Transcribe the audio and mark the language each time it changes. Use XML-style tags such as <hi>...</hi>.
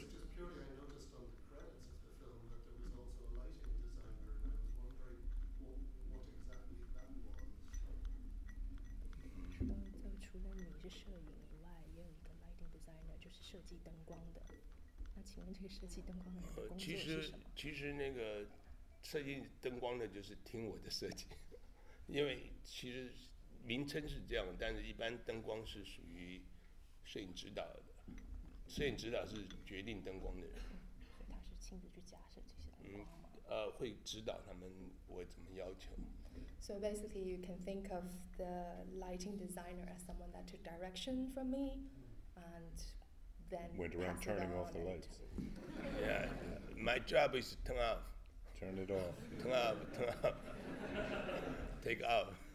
<en>Just purely, I noticed on the credits of the film that there was also a lighting designer, and I was wondering what exactly that was.</en> <zh>就除了你是摄影以外，也有一个 lighting designer， 就是设计灯光的。那请问这个设计灯光的工作是什么？其实那个设计灯光的就是听我的设计，因为其实名称是这样，但是一般灯光是属于。摄影指导的，摄影指导是决定灯光的人，所以他是亲自去架设这些灯光吗？会指导他们我怎么要求。</zh> <en>So basically, you can think of the lighting designer as someone that took direction from me, and then went around turning off the lights. Yeah, my job is turn off. Turn it off. Turn off, turn off. Take off.</en>